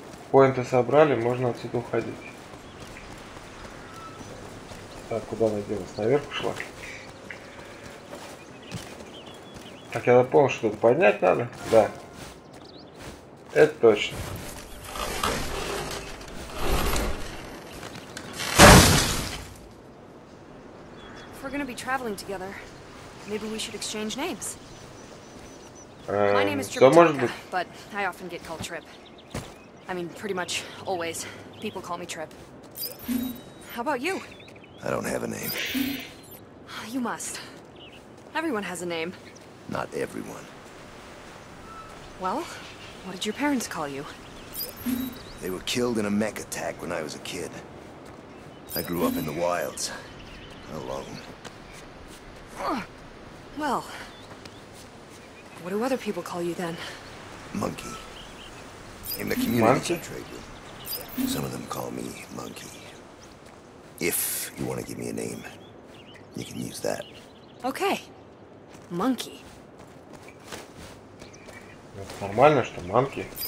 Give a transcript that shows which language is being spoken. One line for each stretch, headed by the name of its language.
Russian: Поинты собрали, можно отсюда уходить. Так, куда она делась? Наверх ушла. Так, я напомню, что тут поднять надо. Да. Это точно.
English: If we're gonna be traveling together, maybe we should exchange names.
Russian: Что может быть?
English: But I often get called Trip. I mean, pretty much always. People call me Trip. How about you? I don't have a name. You must. Everyone has a name. Not everyone. Well, what did your parents call you? They were killed in a mech attack when I was a kid. I grew up in the wilds, alone. Well. What do other people call you then? Monkey. In the community, Trager. Some of them call me Monkey. If you want to give me a name, you can use that. Okay. Monkey.
Russian: Нормально, что Monkey.